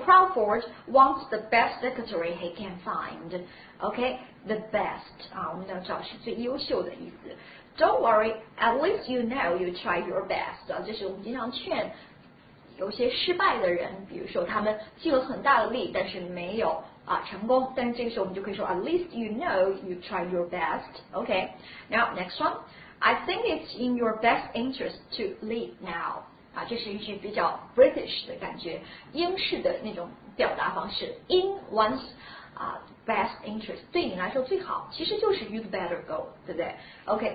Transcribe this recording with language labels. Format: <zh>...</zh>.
<en>Crawford wants the best secretary he can find。</en> <zh>OK，</zh> <en>the best</en> <zh>啊，我们要找是最优秀的意思。</zh> <en>Don't worry， at least you know you try your best。</en> <zh>啊，这是我们经常劝有些失败的人，比如说他们尽了很大的力，但是没有。啊，成功！但是这个时候我们就可以说 ，</zh> <en>At least you know you try your best. Okay. Now next one, I think it's in your best interest to leave now.</en> <zh>啊，这是一句比较 British 的感觉，英式的那种表达方式。</zh> <en>In one's best interest，</en> <zh>对你来说最好，其实就是</zh> <en>you'd better go，</en> <zh>对不对 ？</zh> <en>Okay.</en>